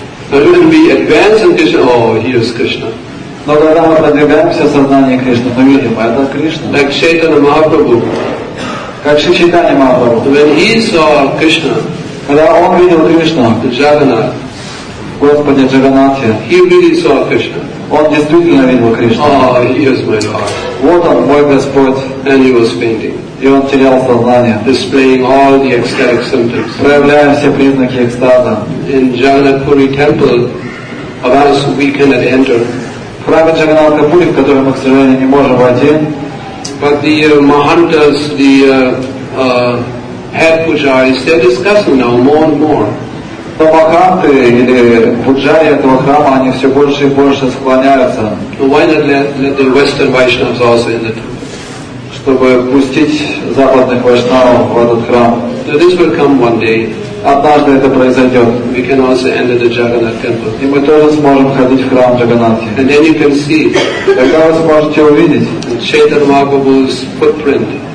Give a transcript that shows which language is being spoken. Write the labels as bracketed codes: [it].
[en] But when we advance in Krishna, oh, here is Krishna. [ru] Но когда мы продвигаемся в сознании Кришны, мы видим, а это Кришна. [en] Like Chaitanya Mahaprabhu. [ru] Как Шри Чайтанья Махапрабху. [en] When he saw Krishna, [ru] когда он видел Кришну, Джаганнат, Господе Джаганнате. [en] He really saw Krishna. [ru] Он действительно видел Кришну. [en] Oh, here's my heart. [ru] Вот он, мой Господь. [en] And he was fainting. [ru] И он терял сознание. [en] Displaying all the ecstatic symptoms. [ru] Проявляя все признаки экстаза. [en] In Jagannathpuri temple, about us we cannot enter. [ru] Правда, Джаганнатапури, в который мы, к сожалению, не можем войти. [en] But the Mahantas, the head pujaris, they're discussing now more and more. [ru] Но маханты или пуджари этого храма, они все больше и больше склоняются. [en] Why not let the Western Vaishnavas also enter? [ru] Чтобы пустить западных вайшнавов в этот храм. [en] So this will come one day. [ru] Однажды это произойдет. [en] We can also enter the Jagannath temple. [ru] И мы тоже сможем ходить в храм Джаганнатхи. [en] And then you can see. [ru] Тогда вы сможете увидеть. [en] Chaitanya Mahaprabhu's footprint.